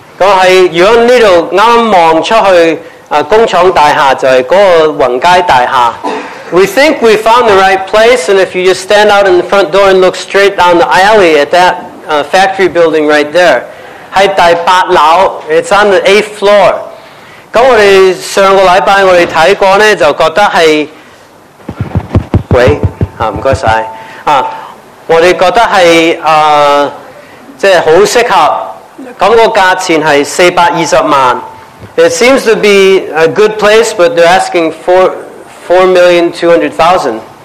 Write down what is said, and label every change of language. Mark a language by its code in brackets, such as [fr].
[yue] 果喺如果呢度啱望出去工廠大廈就係嗰個宏佳大廈。 [en] We think we found the right place, and if you just stand out in the front door and look straight down the alley at that factory building right there, [yue] 喺第八樓 [en] ，it's on the 8th floor。咁我哋上個禮拜我哋睇過咧，就覺得係喂啊，唔該曬啊，我哋覺得係即係好適合。 [yue] 咁個價錢係420,000。 [en] It seems to be a good place, but they're asking $4,200,000.